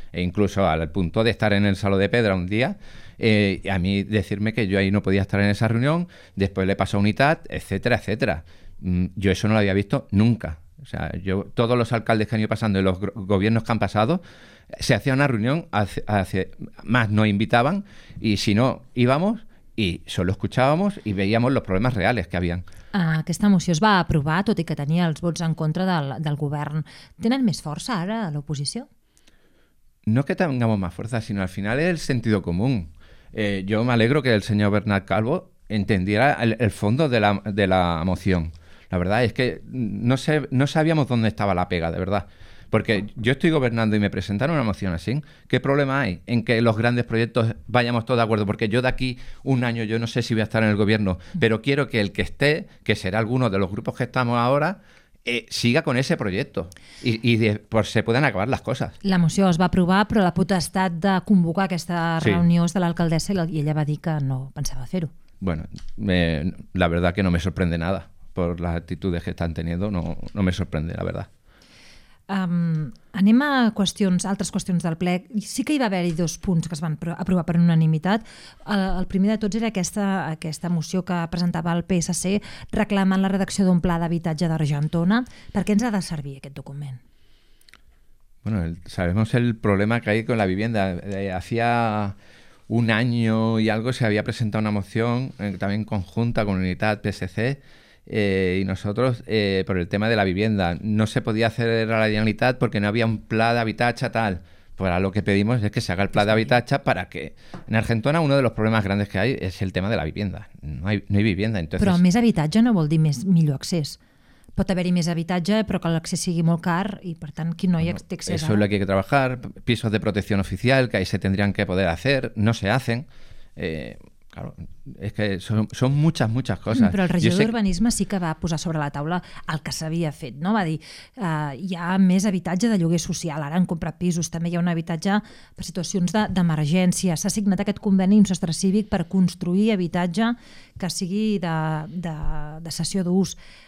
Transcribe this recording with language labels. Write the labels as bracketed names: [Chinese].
[Spanish] E incluso al punto de estar en el Salón de Pedra un día, a mí decirme que yo ahí no podía estar en esa reunión, después le pasó a UNITAD, etcétera, etcétera. Yo eso no lo había visto nunca. O sea, yo todos los alcaldes que han ido pasando y los gobiernos que han pasado, se hacía una reunión, más nos invitaban y si no íbamos y solo escuchábamos y veíamos los problemas reales que habían. [Catalan] Aquesta moció es va aprovar tot i que tenia els vots en contra del govern. ¿Tenen més força ara a l'oposició? [Spanish] No que tengamos más fuerza, sino al final es el sentido común. Yo me alegro que el señor Bernat Calvo entendiera el fondo de la moción. La verdad es que no sabíamos dónde estaba la pega, de verdad. Porque yo estoy gobernando y me presentan una moción así. ¿Qué problema hay en que los grandes proyectos vayamos todos de acuerdo? Porque yo de aquí un año, yo no sé si voy a estar en el gobierno, pero quiero que el que esté, que será alguno de los grupos que estamos ahora, siga con ese proyecto y se puedan acabar las cosas. [Catalan] La moció es va aprovar, però la potestat de convocar aquesta reunió és de l'alcaldessa i ella va dir que no pensava fer-ho. [Spanish] Bueno, la verdad que no me sorprende nada por las actitudes que están teniendo, no me sorprende, la verdad. [Catalan] Anem a qüestions, altres qüestions del ple. Sí que hi va haver-hi dos punts que es van aprovar per unanimitat. El primer de tots era aquesta moció que presentava el PSC reclamant la redacció d'un pla d'habitatge d'Argentona. Per què ens ha de servir aquest document? [Spanish] Bueno, sabemos el problema que hay con la vivienda. Hacía un año y algo se había presentado una moción también conjunta con UNITAD, PSC y nosotros por el tema de la vivienda. No se podía hacer a la Generalitat porque no había un plan de habitatge tal. Pues ahora lo que pedimos es que se haga el plan de habitatge para que... En Argentona uno de los problemas grandes que hay es el tema de la vivienda. No hay vivienda. Entonces... [Catalan] Però més habitatge no vol dir millor accés. Pot haver-hi més habitatge, però que l'accés sigui molt car i, per tant, qui no hi té accés... [Spanish] Eso es lo que hay que trabajar. Pisos de protección oficial, que ahí se tendrían que poder hacer, no se hacen. [Catalan] Claro, és que són moltes, moltes coses. Però el regidor d'Urbanisme sí que va posar sobre la taula el que s'havia fet, no? Va dir, hi ha més habitatge de lloguer social, ara han comprat pisos, també hi ha un habitatge per situacions d'emergència. S'ha signat aquest conveni amb Sostre Cívic per construir habitatge que sigui de cessió d'ús.